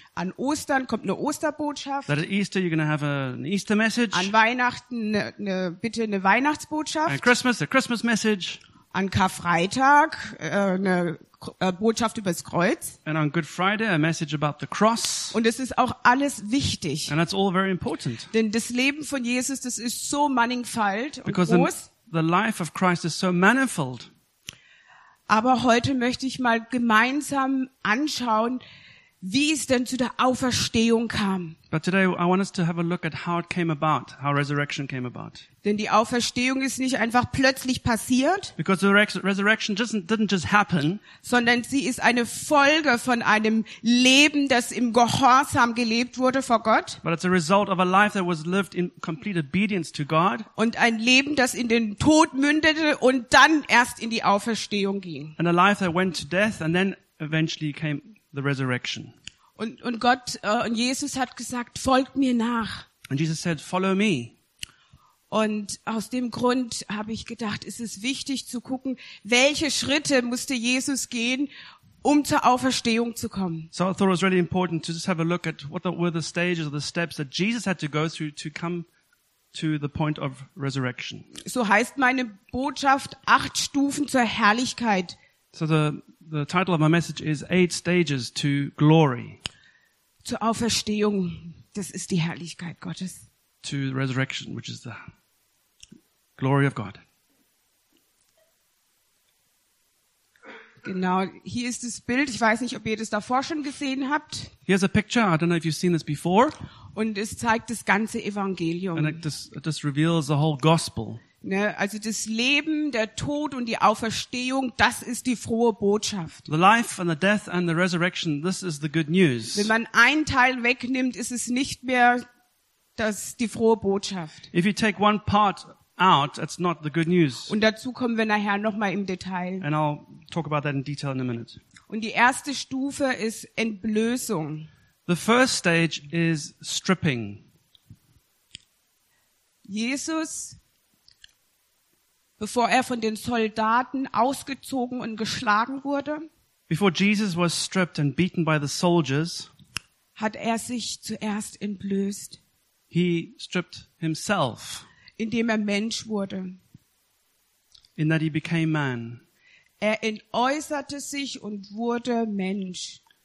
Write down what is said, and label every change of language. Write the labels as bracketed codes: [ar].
[de] An Ostern kommt eine Osterbotschaft. [en] That at Easter you're going to have an Easter message. [de] An Weihnachten bitte eine Weihnachtsbotschaft. [en] And Christmas, a Christmas message. [de] An Karfreitag eine Botschaft über das Kreuz. [en] And on Good Friday a message about the cross. [de] Und es ist auch alles wichtig. [en] And that's all very important. [de] Denn das Leben von Jesus, das ist so mannigfalt und groß. [en] The life of Christ is so manifold. [de] Aber heute möchte ich mal gemeinsam anschauen, wie es denn zu der Auferstehung kam. [en] But today I want us to have a look at how it came about, how resurrection came about. [de] Denn die Auferstehung ist nicht einfach plötzlich passiert. [en] Because the resurrection didn't just happen. [de] Sondern sie ist eine Folge von einem Leben, das im Gehorsam gelebt wurde vor Gott. [en] But it's a result of a life that was lived in complete obedience to God. [de] Und ein Leben, das in den Tod mündete und dann erst in die Auferstehung ging. [en] And a life that went to death and then eventually came the resurrection. [de] Und Gott und Jesus hat gesagt, folgt mir nach. [en] And Jesus said, follow me. [de] Und aus dem Grund habe ich gedacht, es ist wichtig zu gucken, welche Schritte musste Jesus gehen, um zur Auferstehung zu kommen. [en] So I thought it was really important to just have a look at what were the stages or the steps that Jesus had to go through to come to the point of resurrection. [de] So heißt meine Botschaft, 8 Stufen zur Herrlichkeit. [en] So the title of my message is 8 Stages to Glory. [de] Zur Auferstehung, das ist die Herrlichkeit Gottes. [en] To the resurrection, which is the glory of God. [de] Genau, hier ist das Bild. Ich weiß nicht, ob ihr das davor schon gesehen habt. [en] Here's a picture. I don't know if you've seen this before. [de] Und es zeigt das ganze Evangelium. [en] And it just reveals the whole gospel. [de] Ne, also das Leben, der Tod und die Auferstehung, das ist die frohe Botschaft. [en] The life and the death and the resurrection, this is the good news. [de] Wenn man einen Teil wegnimmt, ist es nicht mehr das die frohe Botschaft. [en] If you take one part out, it's not the good news. [de] Und dazu kommen wir nachher nochmal im Detail. [en] And I'll talk about that in detail in a minute. [de] Und die erste Stufe ist Entblößung. [en] The first stage is stripping. [de] Jesus, bevor er von den Soldaten ausgezogen und geschlagen wurde, [en] before Jesus was stripped and beaten by the soldiers, [de] hat er sich zuerst entblößt. [en] He stripped himself. [de] Indem er Mensch wurde. [en] In that he became man. [de] Er entäußerte sich und wurde Mensch.